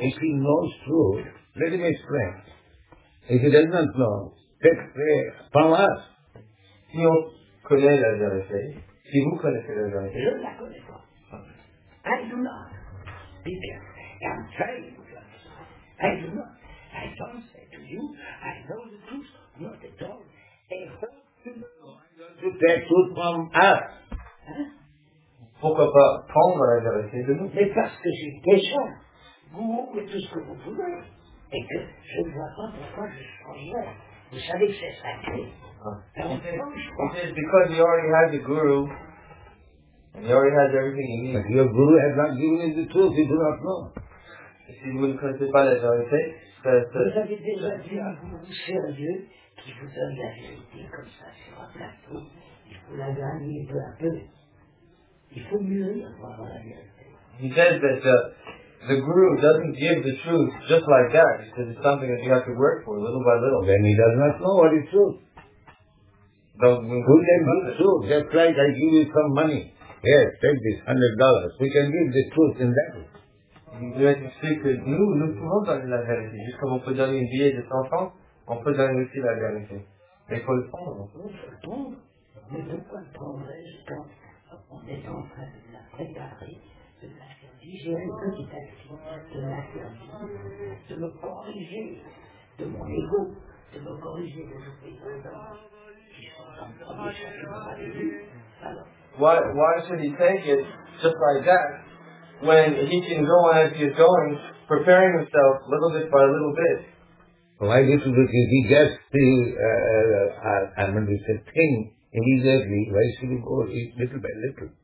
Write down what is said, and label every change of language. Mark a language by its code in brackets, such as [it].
[en] If he knows truth, let him explain. If he does not know, take prayer from us. [fr] Si on connaît la vérité, si vous connaissez la vérité. Je la connais. [en] I do not, because I'm trying to understand. I do not. I don't say to you, I know the truth, not at all. I hope to know. I'm going to take truth from us. [fr] Pourquoi pas prendre la vérité de nous? Mais parce que j'ai déjà goûté tout ce que vous voulez, et que je ne vois pas pourquoi je changerais. Vous savez que c'est sacré. Et on fait, [en] because you already have the guru, he already has everything he needs. But your guru has not given him the truth, he does not know. [fr] Si vous ne connaissez pas la vérité, c'est... Vous avez déjà vu un guru sérieux qui vous donne la vérité comme ça sur un plateau. Il faut la gagner peu à peu. Il faut mûrir pour avoir la vérité. [en] He says that the guru doesn't give the truth just like that. He says it's something that you have to work for little by little. Then he does not know what is truth. Don't mean who can give the truth? Just like I give you some money. Yes, take this, $100. We can give the truth in that way. [fr] Vous avez expliqué que nous pouvons donner la vérité. Juste comme on peut donner une billet de 100 francs, on peut donner aussi la vérité. Mais il faut le prendre. Il faut le prendre. Mais pourquoi le prendrais-je quand on est en train de la préparer, de la faire digérer petit à petit, de la faire vivre, de me corriger de mon ego, de me corriger de mes pensées qui sont en train de chercher à l'élu. Alors, [en] Why should he take it just like that when he can go on as he is going, preparing himself little bit by little bit? Why little bit? If he gets the thing immediately, why should he go little by little?